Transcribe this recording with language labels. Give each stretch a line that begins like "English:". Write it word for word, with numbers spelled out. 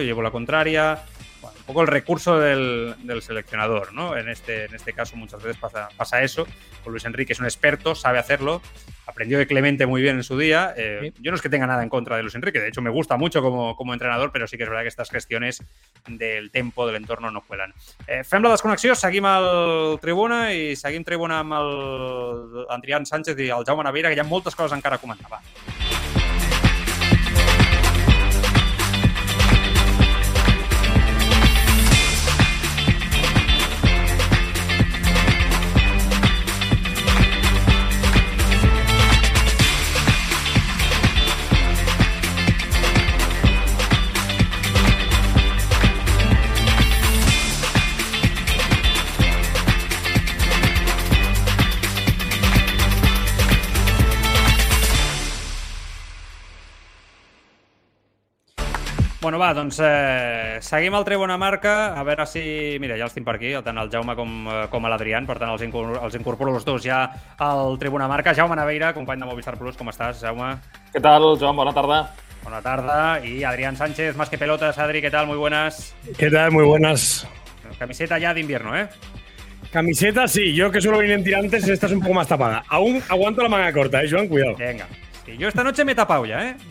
Spanish: Y llevo la contraria. Bueno, un poco el recurso del, del seleccionador, ¿no? En este, en este caso muchas veces pasa, pasa eso. Con Luis Enrique es un experto, sabe hacerlo. Aprendió de Clemente muy bien en su día. Eh, sí. Yo no es que tenga nada en contra de Luis Enrique. De hecho, me gusta mucho como, como entrenador, pero sí que es verdad que estas gestiones del tempo, del entorno, no cuelan.
Catalan: Eh, fem la desconnexió, seguim al Tribuna i seguim Tribuna amb el Adrián Sánchez i el Jaume Naveira, que hi ha moltes coses encara a comentar. Va. Bueno, va, doncs eh, seguim el Trevonamarca, a veure si... Mira, ja els tinc per aquí, tant el Jaume com, com l'Adrián, per tant els, incorpor, els incorporo els dos ja al Trevonamarca. Jaume Naveira, company de Movistar Plus, com estàs, Jaume? Què tal, Joan? Bona tarda. Bona tarda. I Adrián Sánchez, Más que Pelotas.
Spanish: Adri, ¿qué tal? Muy buenas. ¿Qué tal? Muy buenas. Camiseta ya de invierno, ¿eh? Camiseta sí, yo que suelo venir en tirantes, esta es un poco más tapada. Aún aguanto la manga corta, ¿eh, Joan? Cuidado. Venga. Sí, yo esta noche me he tapado ya, ¿eh?